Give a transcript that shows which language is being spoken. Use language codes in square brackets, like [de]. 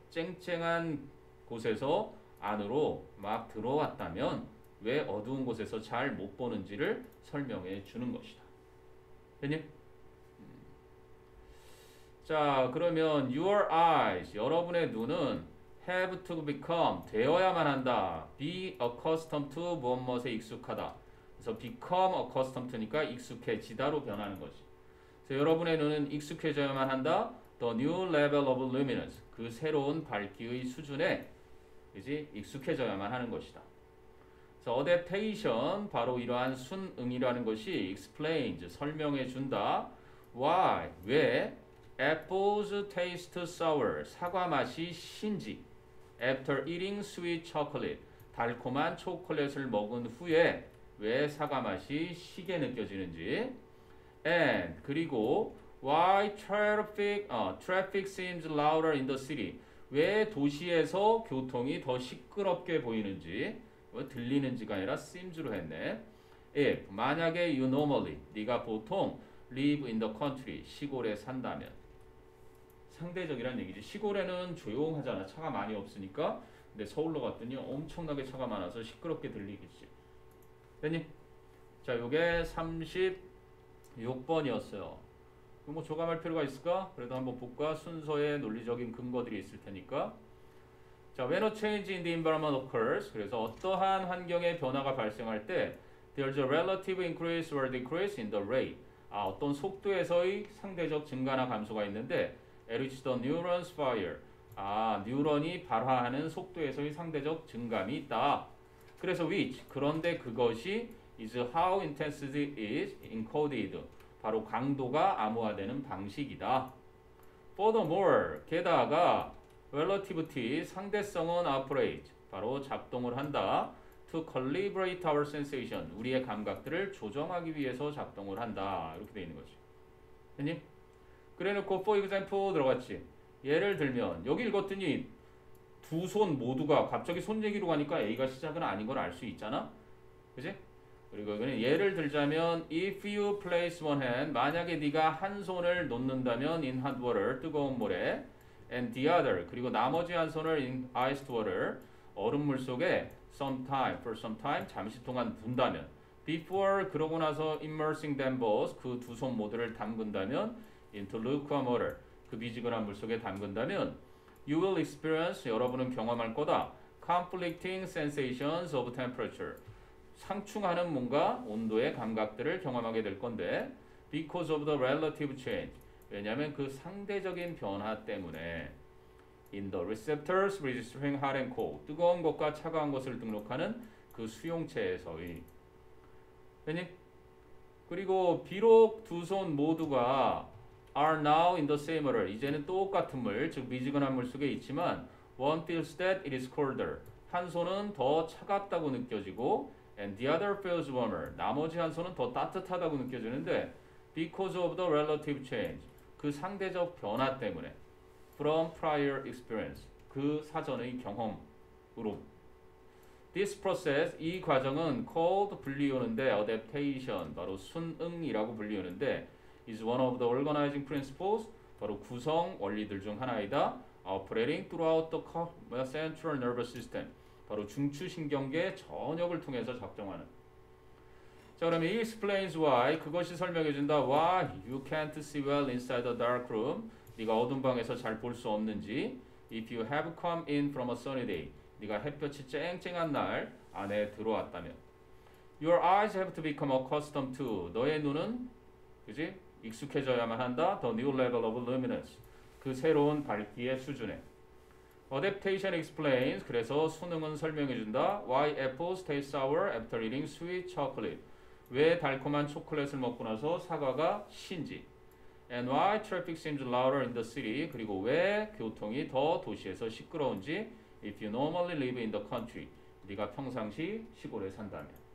[ko] 쨍쨍한 곳에서 안으로 막 들어왔다면 왜 어두운 곳에서 잘 못 보는지를 설명해 주는 것이다. 됐니? 자, 그러면 [en] your eyes [ko] 여러분의 눈은 [en] have to become [ko] 되어야만 한다. [en] be accustomed to [ko] 무엇무엇에 익숙하다. 그래서 become accustomed니까 익숙해지다로 변하는 거지. 그래서 여러분의 눈은 익숙해져야만 한다. [en] The new level of luminance. [ko] 그 새로운 밝기의 수준에 그지? 익숙해져야만 하는 것이다. 그래서 adaptation, 바로 이러한 순응이라는 것이 explains, 설명해준다. [en] Why, 왜? Apples taste sour. [ko] 사과 맛이 신지. [en] After eating sweet chocolate. [ko] 달콤한 초콜릿을 먹은 후에 왜 사과 맛이 시게 느껴지는지 and 그리고 [en] why traffic seems louder in the city [ko] 왜 도시에서 교통이 더 시끄럽게 보이는지 왜 들리는지가 아니라 seems로 했네 if 만약에 [en] you normally [ko] 네가 보통 [en] live in the country [ko] 시골에 산다면 상대적이란 얘기지 시골에는 조용하잖아 차가 많이 없으니까 근데 서울로 갔더니 엄청나게 차가 많아서 시끄럽게 들리겠지 대님, 자, 요게 36번이었어요. 그럼 뭐 조감할 필요가 있을까? 그래도 한번 볼까? 순서에 논리적인 근거들이 있을 테니까. [en] 자, when a change in the environment occurs, [ko] 그래서 어떠한 환경의 변화가 발생할 때, [en] there's a relative increase or decrease in the rate. [ko] 아, 어떤 속도에서의 상대적 증가나 감소가 있는데, [en] at which the neurons fire. [ko] 아, 뉴런이 발화하는 속도에서의 상대적 증감이 있다. 그래서 [en] which, [ko] 그런데 그것이 [en] is how intensity is encoded. [ko] 바로 강도가 암호화되는 방식이다. [en] Furthermore, [ko] 게다가 [en] relativity, [ko] 상대성은 [en] operate. [ko] 바로 작동을 한다. [en] To calibrate our sensation, [ko] 우리의 감각들을 조정하기 위해서 작동을 한다. 이렇게 되어 있는 거지. 됐니? 그래놓고 [en] for example [ko] 들어갔지. 예를 들면, 여기 읽었더니 두 손 모두가 갑자기 손 얘기로 가니까 A가 시작은 아닌 걸 알 수 있잖아. 그치? [en] 그리고 이거는 예를 들자면 If you place one hand [ko] 만약에 네가 한 손을 놓는다면 [en] in hot water [ko] 뜨거운 물에 [en] and the other [ko] 그리고 나머지 한 손을 [en] in iced water [ko] 얼음물 속에 [en] sometime for some time [ko] 잠시 동안 둔다면 [en] before [ko] 그러고 나서 [en] immersing them both [ko] 그 두 손 모두를 담근다면 [en] into lukewarm water [ko] 그 미지근한 물 속에 담근다면 [en] You will experience, [ko] 여러분은 경험할 거다. [en] Conflicting sensations of temperature. [ko] 상충하는 뭔가 온도의 감각들을 경험하게 될 건데 [en] Because of the relative change. [ko] 왜냐하면 그 상대적인 변화 때문에 [en] In the receptors registering hot and cold. [ko] 뜨거운 것과 차가운 것을 등록하는 그 수용체에서의. 괜히? 그리고 비록 두 손 모두가 [en] are now in the same water. [ko] 이제는 똑같은 물, 즉 미지근한 물 속에 있지만 [en] one feels that it is colder. [ko] 한 손은 더 차갑다고 느껴지고 [en] and the other feels warmer. [ko] 나머지 한 손은 더 따뜻하다고 느껴지는데 [en] because of the relative change. [ko] 그 상대적 변화 때문에 [en] from prior experience. [ko] 그 사전의 경험으로 [en] this process, [ko] 이 과정은 [en] called [ko] 불리우는데 adaptation, 바로 순응이라고 불리우는데 [en] is one of the organizing principles, [ko] 바로 구성 원리들 중 하나이다. [en] Operating throughout the central nervous system, [ko] 바로 중추신경계 전역을 통해서 작동하는. 자, 그러면 [en] it explains why, [ko] 그것이 설명해준다. [en] Why you can't see well inside the dark room, [ko] 네가 어두운 방에서 잘 볼 수 없는지. [en] If you have come in from a sunny day, [ko] 네가 햇볕이 쨍쨍한 날 안에 들어왔다면. [en] Your eyes have to become accustomed to, [ko] 너의 눈은 그지? 익숙해져야만 한다. [en] The new level of luminance, [ko] 그 새로운 밝기의 수준에. [en] Adaptation explains, [ko] 그래서 순응은 설명해준다. [en] Why apples taste sour after eating sweet chocolate, [ko] 왜 달콤한 초콜릿을 먹고 나서 사과가 신지. [en] And why traffic seems louder in the city, [ko] 그리고 왜 교통이 더 도시에서 시끄러운지. [en] If you normally live in the country, [ko] 네가 평상시 시골에 산다면.